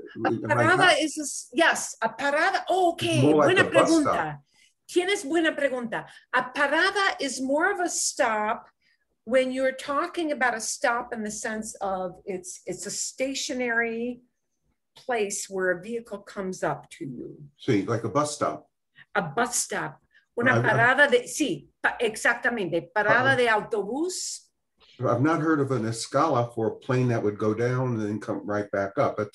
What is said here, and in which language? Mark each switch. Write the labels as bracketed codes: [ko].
[es] A parada. Oh, okay. Buena pregunta. Tienes buena pregunta. [en] A parada is more of a stop. When you're talking about a stop in the sense of it's a stationary place where a vehicle comes up to you. Sí, like a bus stop. A bus stop. [es] Una parada de, sí, exactamente. Parada de autobús. [en] I've not heard of an escala for a plane that would go down and then come right back up.